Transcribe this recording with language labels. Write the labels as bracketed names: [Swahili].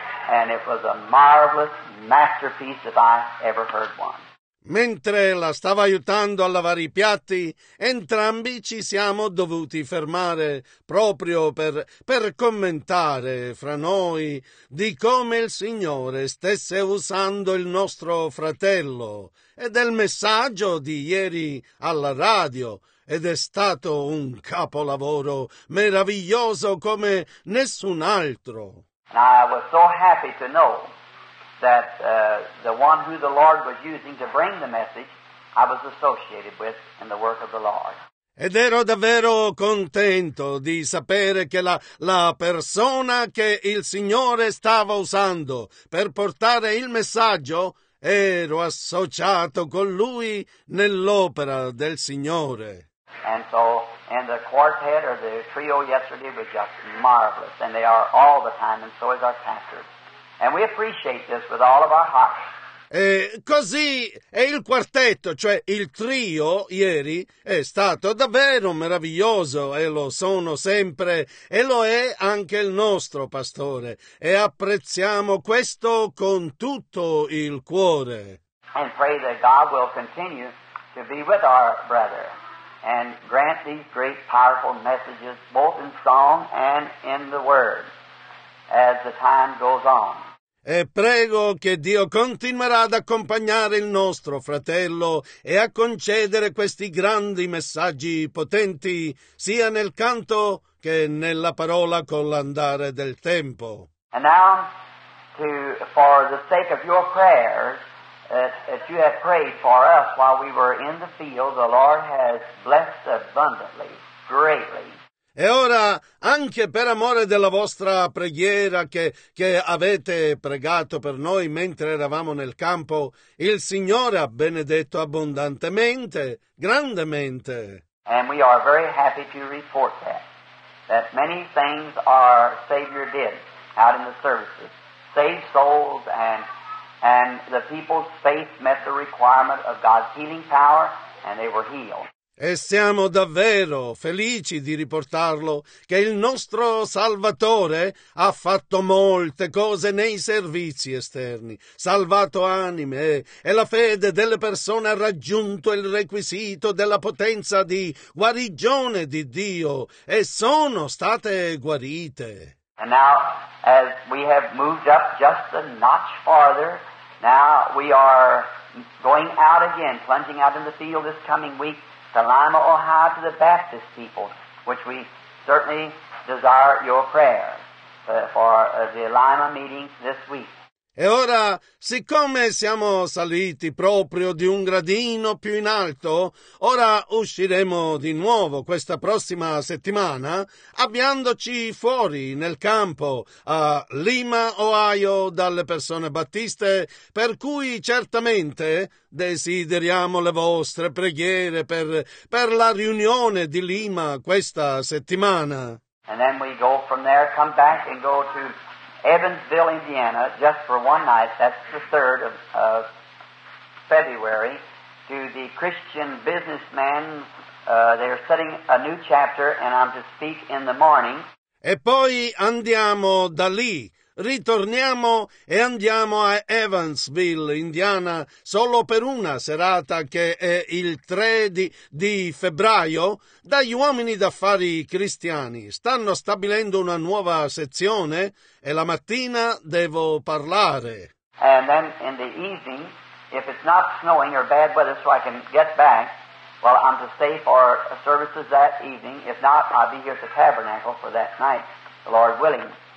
[English] And it was a marvelous masterpiece if I ever heard one. [Italian] Mentre la stava aiutando a lavare i piatti, entrambi ci siamo dovuti fermare proprio per commentare fra noi di come il Signore stesse usando il nostro fratello e del messaggio di ieri alla radio, ed è stato un capolavoro meraviglioso come nessun altro. [English] I was so happy to know that the one who the Lord was using to bring the message, I was associated with in the work of the Lord. [Italian] Ed ero davvero contento di sapere che la persona che il Signore stava usando per portare il messaggio, ero associato con lui nell'opera del Signore. [English] And so, and the quartet or the trio yesterday was just marvelous, and they are all the time, and so is our pastor. And we appreciate this with all of our hearts. [Italian] Così è il quartetto, cioè il trio, ieri, è stato davvero meraviglioso e lo sono sempre e lo è anche il nostro pastore. E apprezziamo questo con tutto il cuore. [English] And pray that God will continue to be with our brother and grant these great powerful messages both in song and in the word as the time goes on. [Italian] E prego che Dio continuerà ad accompagnare il nostro fratello e a concedere questi grandi messaggi potenti sia nel canto che nella parola con l'andare del tempo. [English] And now, for the sake of your prayers, that you have prayed for us while we were in the field, the Lord has blessed abundantly, greatly. [Italian] E ora, anche per amore della vostra preghiera che avete pregato per noi mentre eravamo nel campo, il Signore ha benedetto abbondantemente, grandemente. [English] And we are very happy to report that many things our Savior did out in the services. Saved souls and the people's faith met the requirement of God's healing power and they were healed. [Italian] E siamo davvero felici di riportarlo che il nostro Salvatore ha fatto molte cose nei servizi esterni, salvato anime e la fede delle persone ha raggiunto il requisito della potenza di guarigione di Dio e sono state guarite. [English] And now, as we have moved up just a notch farther, now we are going out again, plunging out in the field this coming week, Salima, Ohio, to the Baptist people, which we certainly desire your prayer for the Lima meeting this week. [Italian] E ora, siccome siamo saliti proprio di un gradino più in alto, ora usciremo di nuovo questa prossima settimana, avviandoci fuori nel campo a Lima, Ohio, dalle persone battiste, per cui certamente desideriamo le vostre preghiere per la riunione di Lima questa settimana. [English] And then we go from there, come back and go to Evansville, Indiana, just for one night, that's the 3rd of February, to the Christian businessmen. They're setting a new chapter, and I'm to speak in the morning. [Italian] E poi andiamo da lì. Ritorniamo e andiamo a Evansville, Indiana, solo per una serata che è il 3 di febbraio. Dagli uomini d'affari cristiani stanno stabilendo una nuova sezione e la mattina devo parlare. [English] And then in the evening, if it's not snowing or bad weather so I can get back, well, I'm to stay for services that evening. If not, I'll be here at the tabernacle for that night, the Lord willing.